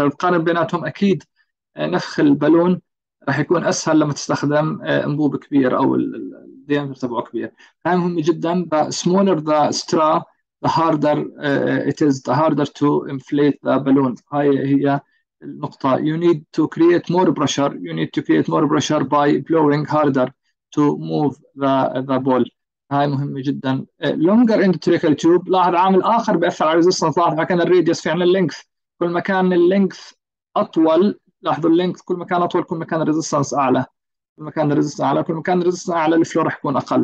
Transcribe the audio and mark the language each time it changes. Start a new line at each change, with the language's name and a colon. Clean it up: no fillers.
Arabic: لو تقارن بيناتهم اكيد نفخ البالون راح يكون اسهل لما تستخدم انبوب كبير او الديامتر تبعه كبير. هاي مهمه جدا.
English: The smaller the straw, the harder it is, the harder to inflate the balloon.
Arabic: هاي هي النقطه.
English: You need to create more pressure. You need to create more pressure by blowing harder to move the ball.
Arabic: هاي مهمة جدا.
English: longer endotracheal tube
Arabic: لاحظ عامل آخر بأثر على resistance. لاحظ كان الradius في عن length, كل ما كان length أطول, لاحظوا length كل ما كان أطول كل ما كان resistance أعلى, كل ما كان resistance أعلى كل ما كان resistance أعلى الفلو راح يكون أقل.